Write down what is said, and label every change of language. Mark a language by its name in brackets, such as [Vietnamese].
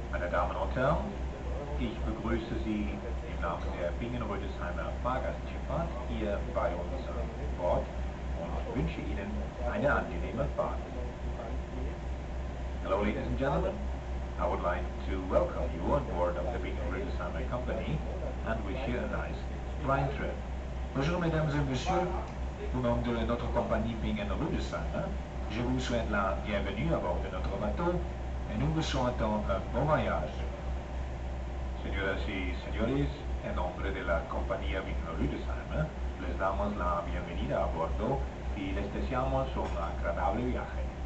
[German] Damen und Herren, ich begrüße Sie im Namen der Bingen-Rüdesheimer Fahrgastschifffahrt hier bei uns an Bord und wünsche Ihnen eine angenehme Fahrt. [English] Hello, ladies and gentlemen. I would like to welcome you on board of the Bingen-Rüdesheimer Company and wish you a nice flying trip. [French] Bonjour, mesdames et messieurs. Au nom de notre compagnie Bingen-Rüdesheimer, je vous souhaite la bienvenue à bord de notre bateau. Et nous vous souhaitons un bon voyage. [Spanish] Señoras y señores, en nombre de la compañía Bingen Rüdesheim, les damos la bienvenida a bordo y les deseamos un agradable viaje.